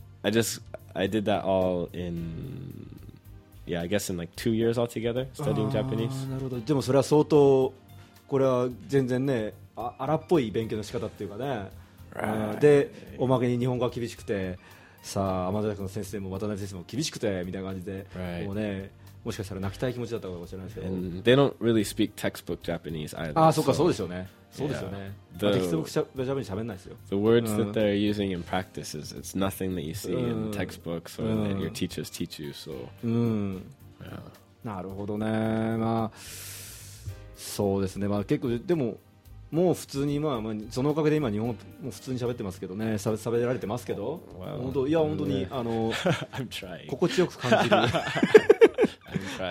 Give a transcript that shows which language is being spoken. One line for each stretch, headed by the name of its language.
English: I did that all in, yeah, I guess in like 2 years altogether, studying Japanese.
Japanese: なるほど。でもそれは相当、これは全然ね、荒っぽい勉強の仕方っていうかね、でおまけに日本語が厳しくて、さあ天田学の先生も渡辺先生も厳しくてみたいな感じで、
English: right.
Japanese: もうね、もしかしたら泣きたい気持ちだったかもしれないですけど、
English: And they don't really speak textbook Japanese either.
Japanese: ああ、そうか、そうですよね、そうですよね。テキストブックジャパニーズ喋んないですよ。
English: The words that they're using in practice is it's nothing that you see in textbooks or that your teachers teach you. So, yeah.
Japanese: なるほどね、まあそうですね、まあ結構でも。もう普通に、まあ、そのおかげで今日本も普通に喋ってますけどね、喋られてますけど、
English: well,
Japanese: 本当、いや本当に、
English: yeah.
Japanese: あの
English: I'm trying.
Japanese: 心地よく感じる
English: <I'm trying.